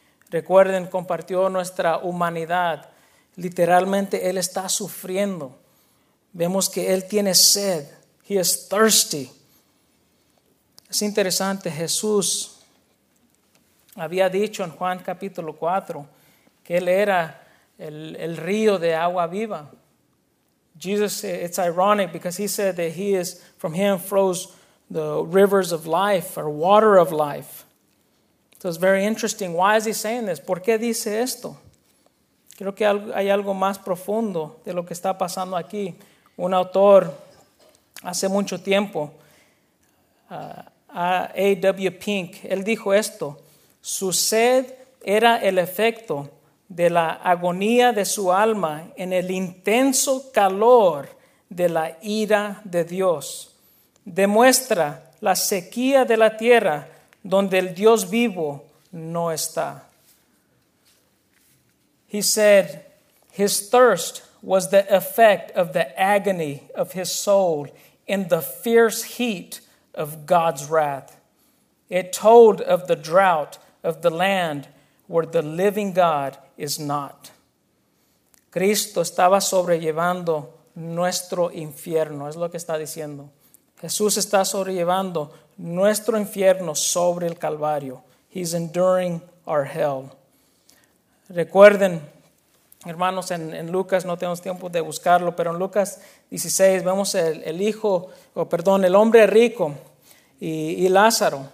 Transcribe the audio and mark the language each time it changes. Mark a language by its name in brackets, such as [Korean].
[Spanish] Recuerden, compartió nuestra humanidad. Literalmente, Él está sufriendo. Vemos que Él tiene sed. [English] He is thirsty. [Spanish] Es interesante, Jesús había dicho en Juan capítulo 4 que Él era el río de agua viva. [English] Jesus, it's ironic because He said that He is, from Him flows the rivers of life or water of life. So it's very interesting. Why is He saying this? [Spanish] ¿Por qué dice esto? Creo que hay algo más profundo de lo que está pasando aquí. Un autor hace mucho tiempo, A.W. Pink, él dijo esto: su sed era el efecto de la agonía de su alma en el intenso calor de la ira de Dios. Demuestra la sequía de la tierra donde el Dios vivo no está. [English] He said his thirst was the effect of the agony of his soul in the fierce heat of God's wrath. It told of the drought of the land where the living God is not. [Spanish] Cristo estaba sobrellevando nuestro infierno, es lo que está diciendo. Jesús está sobrellevando nuestro infierno sobre el Calvario. [English] He's enduring our hell. [Spanish] Recuerden, hermanos, en Lucas, no tenemos tiempo de buscarlo, pero en Lucas 16 vemos el hombre rico y Lázaro.